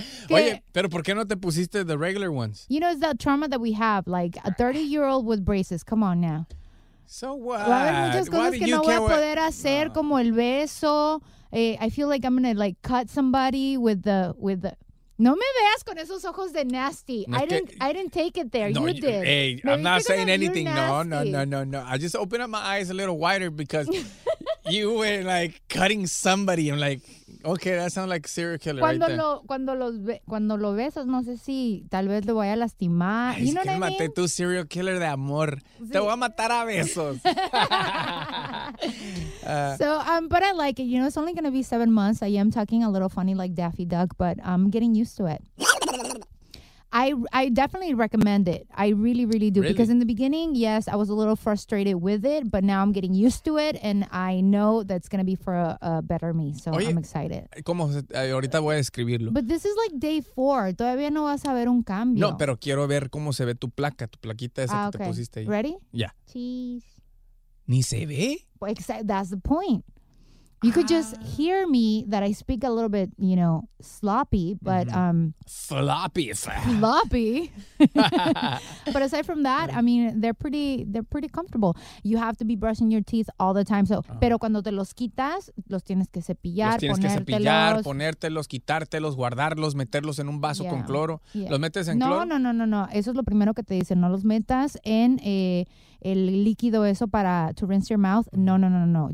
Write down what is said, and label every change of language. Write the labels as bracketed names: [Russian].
[Spanish] Oye, pero ¿por qué no te pusiste [English] the regular ones? You know, it's that trauma that we have. Like, a 30-year-old with braces. Come on now. So what? [Spanish] Va a haber muchas cosas que no voy a poder hacer, como el beso. [English] I feel like I'm going to, like, cut somebody with the... [Spanish] No me veas con esos ojos de nasty. [English] I didn't take it there. [Spanish] No, [English] you did. Hey, maybe I'm not saying anything. No. I just opened up my eyes a little wider because you were like cutting somebody. I'm like, okay, that sounds like serial killer. [Spanish] Cuando lo besas, no sé si tal vez lo voy a lastimar. Ay, [English] you know what I mean? [Spanish] Tu serial killer de amor. Sí. Te voy a matar a besos. [English] But I like it. You know, it's only going to be 7 months. I am talking a little funny like Daffy Duck, but I'm getting used to it. I definitely recommend it. I really, really do. Really? Because in the beginning, yes, I was a little frustrated with it, but now I'm getting used to it, and I know that's going to be for a better me, so [Spanish] oye, [English] I'm excited. [Spanish] ¿Cómo? Ahorita voy a escribirlo. [English] But this is like day 4. [Spanish] Todavía no vas a ver un cambio. No, pero quiero ver cómo se ve tu plaquita esa que [English] okay. [Spanish] Te pusiste ahí. [English] Ready? Yeah. Cheese. [Spanish] ¿Ni se ve? [English] Except that's the point. You could just hear me that I speak a little bit, you know, sloppy, but... Sloppy. Sloppy. But aside from that, I mean, they're pretty comfortable. You have to be brushing your teeth all the time. [Spanish] Pero cuando te los quitas, los tienes que cepillar, ponértelos, quitártelos, guardarlos, meterlos en un vaso con cloro. [English] Yeah. [Spanish] ¿Los metes en cloro? No. Eso es lo primero que te dicen. No los metas en... el líquido eso para [English] to rinse your mouth. [Spanish] No.